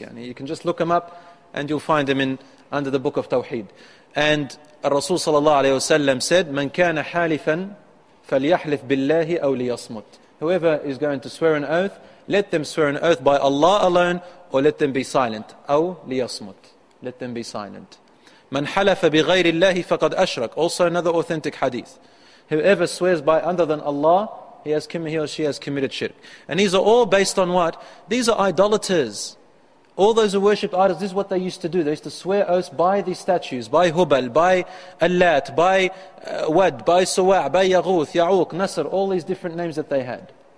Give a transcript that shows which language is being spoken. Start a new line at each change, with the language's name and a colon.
English: And you can just look them up and you'll find them in under the book of Tawheed. And Rasul sallallahu alaihi wasallam said, man kana halifan falyahlif billahi aw liyasmut. Whoever is going to swear an oath, let them swear an oath by Allah alone, or let them be silent.
Arabic: أو ليصمت.
English: Let them be silent.
Arabic: من حلف بغير الله فقد أشرك.
English: Also another authentic hadith. Whoever swears by other than Allah, he or she has committed shirk. And these are all based on what? These are idolaters. All those who worship idols, this is what they used to do. They used to swear oaths by these statues, by Hubal, by Al-Lat, by Wad, by Suwa', by Yaghuth, Ya'uq, Nasr, all these different names that they had.